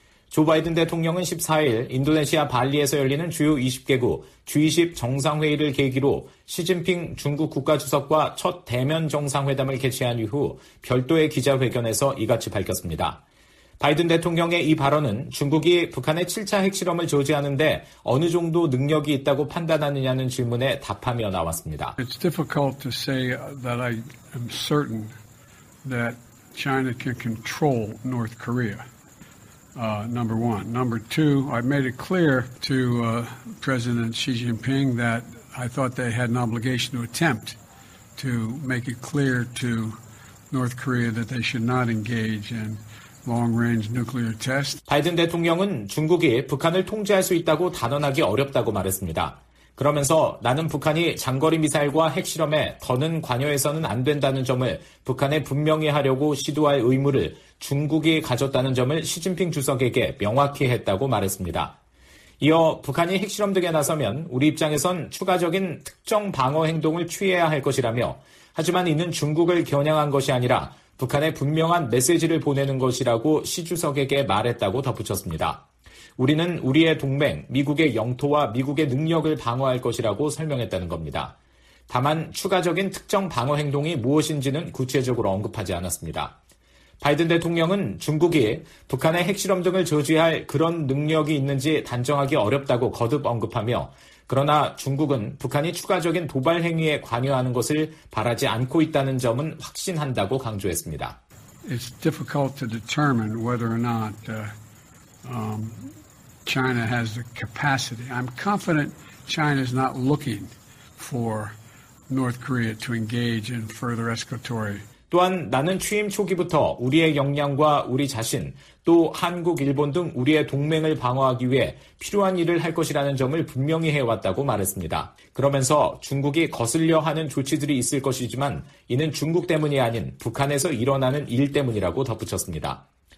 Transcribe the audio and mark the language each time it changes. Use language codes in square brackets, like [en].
[ko] 조 바이든 대통령은 14일 인도네시아 발리에서 열리는 주요 20개국 G20 정상회의를 계기로 시진핑 중국 국가주석과 첫 대면 정상회담을 개최한 이후 별도의 기자회견에서 이같이 밝혔습니다. 바이든 대통령의 이 발언은 중국이 북한의 7차 핵실험을 저지하는데 어느 정도 능력이 있다고 판단하느냐는 질문에 답하며 나왔습니다. [en] It's difficult to say that I am certain that China can control North Korea. Number one. Number two, I made it clear to President Xi Jinping that I thought they had an obligation to attempt to make it clear to North Korea that they should not engage in long-range nuclear test. [ko] 바이든 대통령은 중국이 북한을 통제할 수 있다고 단언하기 어렵다고 말했습니다. 그러면서 나는 북한이 장거리 미사일과 핵실험에 더는 관여해서는 안 된다는 점을 북한에 분명히 하려고 시도할 의무를 중국이 가졌다는 점을 시진핑 주석에게 명확히 했다고 말했습니다. 이어 북한이 핵실험 등에 나서면 우리 입장에선 추가적인 특정 방어 행동을 취해야 할 것이라며 하지만 이는 중국을 겨냥한 것이 아니라 북한에 분명한 메시지를 보내는 것이라고 시 주석에게 말했다고 덧붙였습니다. 우리는 우리의 동맹, 미국의 영토와 미국의 능력을 방어할 것이라고 설명했다는 겁니다. 다만 추가적인 특정 방어 행동이 무엇인지는 구체적으로 언급하지 않았습니다. 바이든 대통령은 중국이 북한의 핵실험 등을 저지할 그런 능력이 있는지 단정하기 어렵다고 거듭 언급하며 그러나 중국은 북한이 추가적인 도발 행위에 관여하는 것을 바라지 않고 있다는 점은 확신한다고 강조했습니다. [en] It's difficult to determine whether or not China has the capacity. I'm confident China is not looking for North Korea to engage in further escalatory. [ko] 또한 나는 취임 초기부터 우리의 역량과 우리 자신, 또 한국, 일본 등 우리의 동맹을 방어하기 위해 필요한 일을 할 것이라는 점을 분명히 해왔다고 말했습니다. 그러면서 중국이 거슬려 하는 조치들이 있을 것이지만 이는 중국 때문이 아닌 북한에서 일어나는 일 때문이라고 덧붙였습니다.